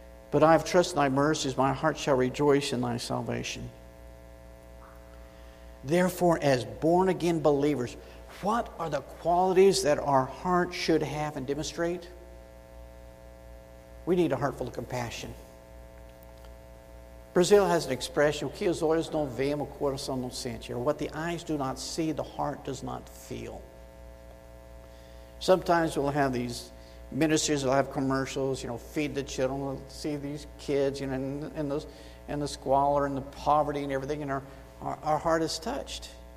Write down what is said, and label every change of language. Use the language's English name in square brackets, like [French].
[English] But I have trusted thy mercies, my heart shall rejoice in thy salvation. Therefore, as born-again believers, what are the qualities that our heart should have and demonstrate? We need a heart full of compassion. Brazil has an expression, [Portuguese] que os olhos não veem, o coração não sente. [English] What the eyes do not see, the heart does not feel. Sometimes we'll have these ministers that have commercials, you know, feed the children, see these kids, you know, and the squalor and the poverty and everything, and our heart is touched.